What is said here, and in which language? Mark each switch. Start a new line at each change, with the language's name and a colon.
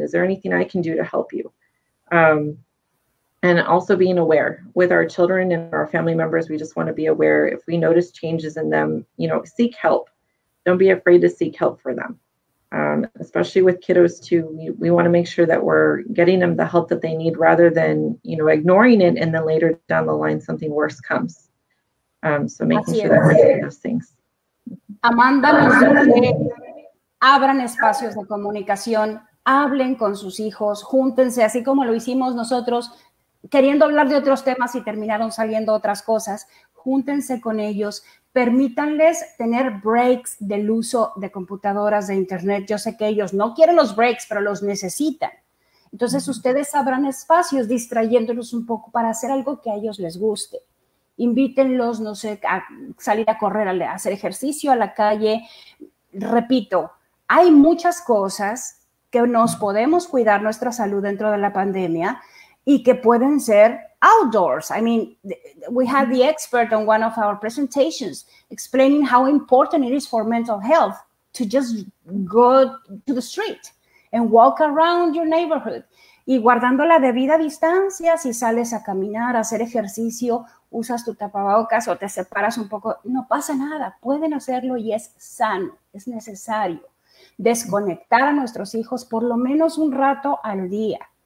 English: Is there anything I can do to help you? And also being aware with our children and our family members, we just want to be aware if we notice changes in them, you know, seek help. Don't be afraid to seek help for them, especially with kiddos too. We want to make sure that we're getting them the help that they need rather than, you know, ignoring it. And then later down the line, something worse comes. So making sure that we're doing those things.
Spanish: Amanda, abran espacios de comunicación, hablen con sus hijos, júntense así como lo hicimos nosotros, queriendo hablar de otros temas y terminaron saliendo otras cosas, júntense con ellos, permítanles tener breaks del uso de computadoras, de internet. Yo sé que ellos no quieren los breaks, pero los necesitan. Entonces, ustedes abran espacios distrayéndolos un poco para hacer algo que a ellos les guste. Invítenlos, no sé, a salir a correr, a hacer ejercicio a la calle. Repito, hay muchas cosas que nos podemos cuidar nuestra salud dentro de la pandemia, y que pueden ser outdoors.
English: I mean, we had the expert on one of our presentations explaining how important it is for mental health to just go to the street and walk around your neighborhood.
Spanish: Y guardando la debida distancia, si sales a caminar, a hacer ejercicio, usas tu tapabocas o te separas un poco, no pasa nada. Pueden hacerlo y es sano, es necesario desconectar a nuestros hijos por lo menos un rato al día.